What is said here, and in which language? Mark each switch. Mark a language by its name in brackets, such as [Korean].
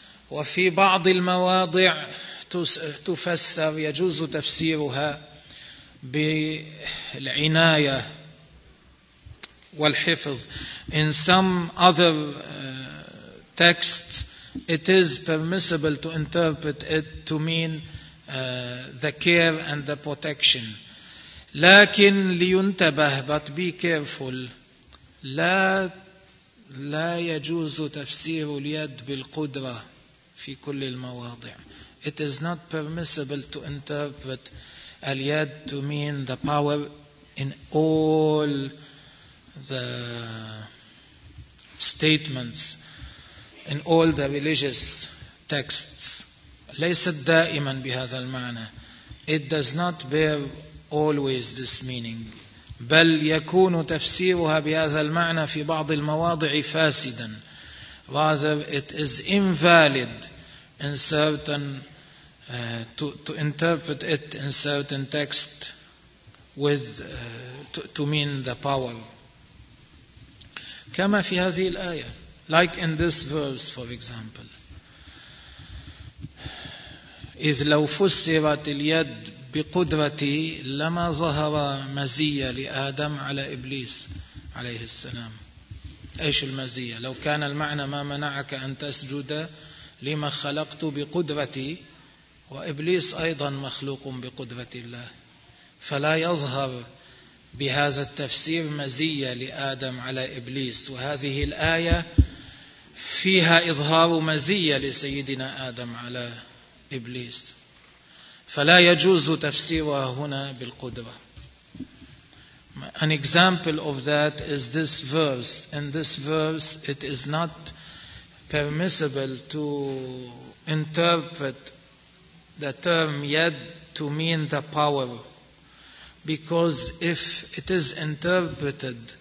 [Arabic] وفي بعض المواضع تفسر, يجوز تفسيرها بالعناية والحفظ. [English] In some other texts, it is permissible to interpret it to mean the care and the protection. [Arabic] لكن لينتبه, [English] but be careful. [Arabic] لا يجوز تفسير اليد بالقدرة في كل المواضع. [English] It is not permissible to interpret اليد to mean the power in all the statements. In all the religious texts, [Arabic] ليست دائما بهذا المعنى. [English] It does not bear always this meaning. [Arabic] بل يكون تفسيرها بهذا المعنى في بعض المواضع فاسدا. [English] Rather, it is invalid in certain to interpret it in certain text with to mean the power. [Arabic] كما في هذه الآية. [English] Like in this verse, for example. [Arabic] إذ لو فسرت اليد بقدرتي لما ظهر مزية لآدم على إبليس عليه السلام. إيش المزية؟ لو كان المعنى ما منعك أن تسجد لما خلقت بقدرتي, وإبليس أيضا مخلوق بقدرة الله, فلا يظهر بهذا التفسير مزية لآدم على إبليس. وهذه الآية فيها إظهار مزية لسيدنا آدم على إبليس, فلا يجوز تفسيرها هنا بالقدرة. [English] An example of that is this verse. In this verse, it is not permissible to interpret the term yad to mean the power, because if it is interpreted